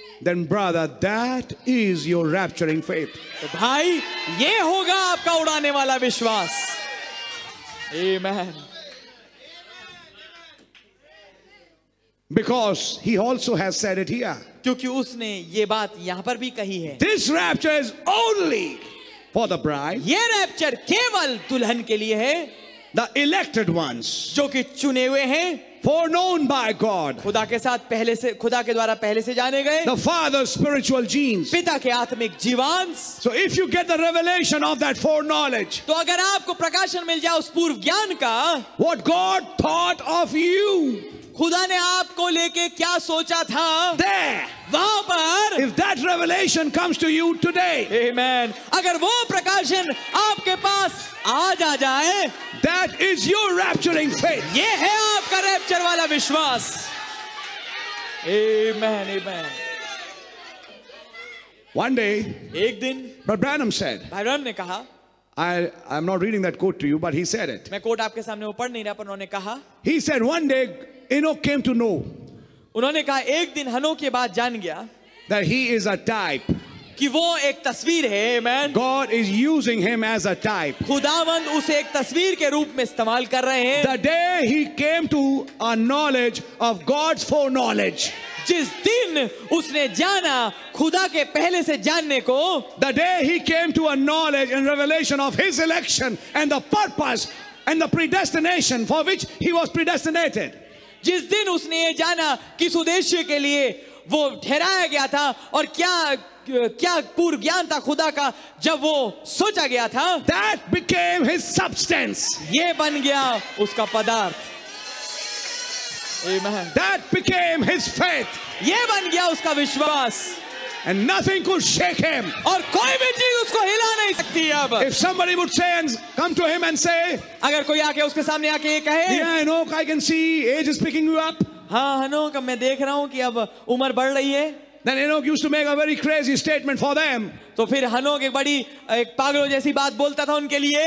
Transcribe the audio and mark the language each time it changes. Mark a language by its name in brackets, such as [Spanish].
[English] Then brother, that is your rapturing faith. [Hindi] तो भाई, ये होगा आपका उड़ाने वाला विश्वास. [English] Amen. Because he also has said it here. [Hindi] क्योंकि उसने ये बात यहाँ पर भी कही है. [English] This rapture is only for the bride. [Hindi] ये रैप्चर केवल दुल्हन के लिए है. [English] The elected ones. [Hindi] जो कि चुने हुए हैं. [English] Foreknown by God, [Hindi] खुदा के साथ पहले से खुदा के द्वारा पहले से जाने गए [English] The Father's spiritual genes, [Hindi] पिता के आत्मिक जीवांश [English] So if you get the revelation of that foreknowledge, [Hindi] तो अगर आपको प्रकाशन मिल जाए उस पूर्व ज्ञान का [English] What God thought of you, [Hindi] खुदा ने आपको लेके क्या सोचा था [English] There, [Hindi] वहां पर [English] If that revelation comes to you today, [Hindi] Amen, अगर वो प्रकाशन आपके पास आज आ जाए [English] That is your rapturing faith. [Hindi] ये है आपका रैप्चर वाला विश्वास. [English] Amen, amen. One day, [Hindi] एक दिन, [English] Brother Branham said, [Hindi] भाई ब्रैनम ने कहा, [English] I'm not reading that quote to you, but he said it. [Hindi] मैं कोट आपके सामने वो पढ़ नहीं रहा, पर उन्होंने कहा. [English] He said one day Enoch came to know. [Hindi] उन्होंने कहा एक दिन हनो के बाद जान गया. [English] That he is a type. [Hindi] कि वो एक तस्वीर है, amen. [English] God is using him as a type. [Hindi] खुदावंद उसे एक तस्वीर के रूप में इस्तेमाल कर रहे हैं. [English] The day he came to a knowledge of God's foreknowledge. [Hindi] जिस दिन उसने जाना खुदा के पहले से जानने को. [English] The day he came to a knowledge and revelation of his election and the purpose and the predestination for which he was predestinated. [Hindi] जिस दिन उसने ये जाना किस उद्देश्य के लिए वो ठहराया गया था और क्या क्या पूर्व ज्ञान था खुदा का जब वो सोचा गया था. [English] That became his substance. [Hindi] ये बन गया उसका पदार्थ. Amen. [English] That became his faith. [Hindi] ये बन गया उसका विश्वास. [English] And nothing could shake him. [Hindi] और कोई भी चीज उसको हिला नहीं सकती अब. [English] If somebody would say and come to him and say, [Hindi] अगर कोई आके उसके सामने आके ये कहे, [English] Yeah, Enoch, I can see age is picking you up. [Hindi] हाँ Enoch, मैं देख रहा हूँ कि अब उम्र बढ़ रही है. [English] Then Enoch used to make a very crazy statement for them. [Hindi] तो फिर Enoch एक बड़ी एक पागलों जैसी बात बोलता था उनके लिए.